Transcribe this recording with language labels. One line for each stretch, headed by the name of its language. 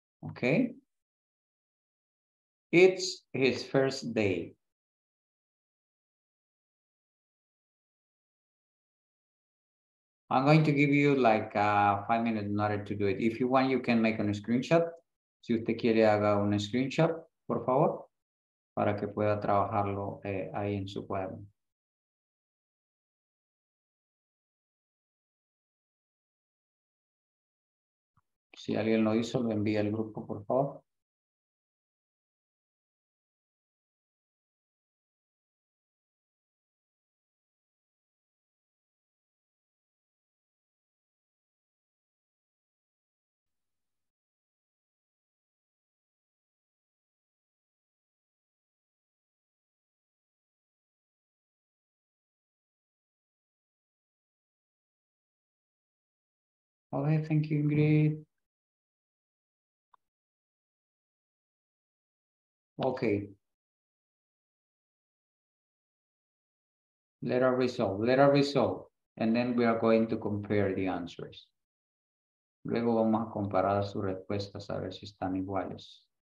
English: Okay. It's his first day. I'm going to give you like 5 minutes in order to do it. If you want, you can make a screenshot.
Spanish: Si usted quiere, haga un screenshot, por favor, para que pueda trabajarlo ahí en su cuaderno. Si alguien lo hizo, lo envía al grupo, por favor.
English: Okay, thank you, Ingrid. Okay. Let us resolve. And then we are going to compare the answers.
Spanish: Luego vamos a comparar sus respuestas a ver si están iguales.